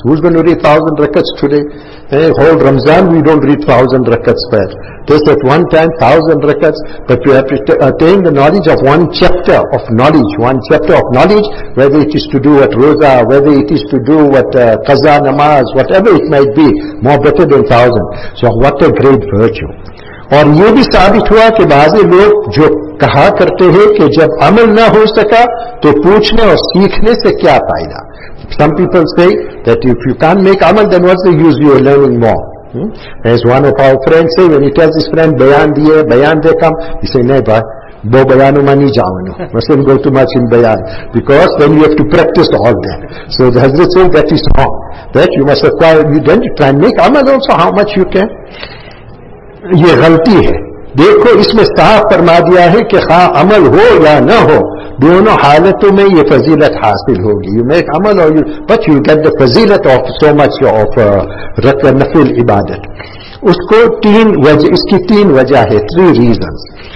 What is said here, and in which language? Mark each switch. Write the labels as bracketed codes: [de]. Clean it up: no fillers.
[en] Who's going to read 1,000 rakats today? Hey, whole Ramzan we don't read 1,000 rakats there. Just at one time 1,000 rakats, but you have to attain the knowledge of one chapter of knowledge, whether it is to do with roza, whether it is to do with qaza namaz, whatever it might be, more better than 1,000. So what a great virtue. [ur] اور یہ بھی ثابت ہوا کہ بعض لوگ جو کہا کرتے ہیں کہ جب عمل نہ ہو سکا تو پوچھنے اور سیکھنے سے کیا فائدہ. [en] Some people say that if you can't make عمل, then what's the use you are learning more? As one of our friends say, when he tells his friend [ur] بیان دیئے بیان دے کم, [en] he say [ur] نہیں بھائی بو بیانو میں نہیں جاؤں, [en] mustn't go too much in بیان, because then you have to practice all that. So the Hazrat said that is wrong, that you must acquire, you then try and make عمل also how much you can. [ur] یہ غلطی ہے. دیکھو اس میں صاف فرما دیا ہے کہ خواہ عمل ہو یا نہ ہو, دونوں حالتوں میں یہ فضیلت حاصل ہوگی. [en] You make عمل or you, but you get the فضیلت of so much of نفل عبادت. [ur] اس کو تین وجہ, اس کی تین وجہ ہے, [en] Three reasons.